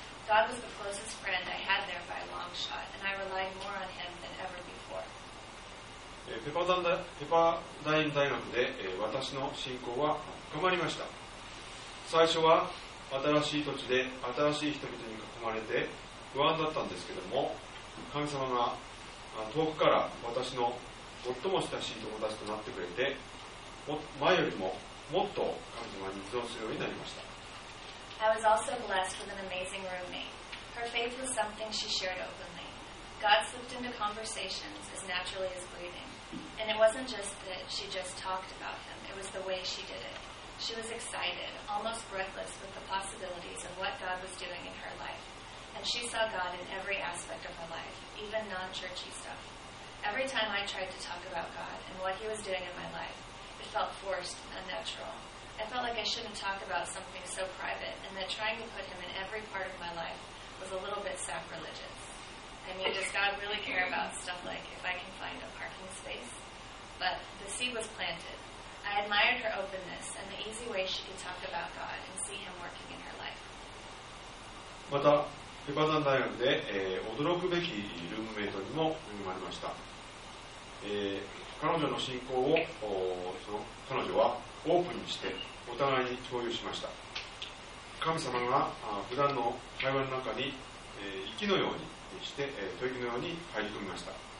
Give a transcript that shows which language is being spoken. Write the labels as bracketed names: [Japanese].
[English] God was the closest friend I had there by a long shot, and I relied more on him than ever before. [Japanese] ペパダイン大学で私の信仰は深まりました。最初は新しい土地で新しい人々に囲まれて不安だったんですけども、神様が遠くから私の最も親しい友達となってくれて、前よりももっと神様に依存するようになりました。 [English] I was also blessed with an amazing roommate. Her faith was something she shared openly. God slipped into conversations as naturally as breathingAnd it wasn't just that she just talked about him, it was the way she did it. She was excited, almost breathless with the possibilities of what God was doing in her life. and she saw God in every aspect of her life, even non-churchy stuff. Every time I tried to talk about God and what he was doing in my life, it felt forced and unnatural. I felt like I shouldn't talk about something so private, and that trying to put him in every part of my life was a little bit sacrilegious. I mean, does God really care about stuff like if I can find a parking space? But the seed was planted. I admired her openness and the easy way she could talk about God and see him working in her life. [Japanese] また、ペパダン大学で、驚くべきルームメイトにも恵まれました。彼女の信仰を彼女はオープンにしてお互いに共有しました。神様が普段の会話の中に息のようにして吐息のように入り込みました。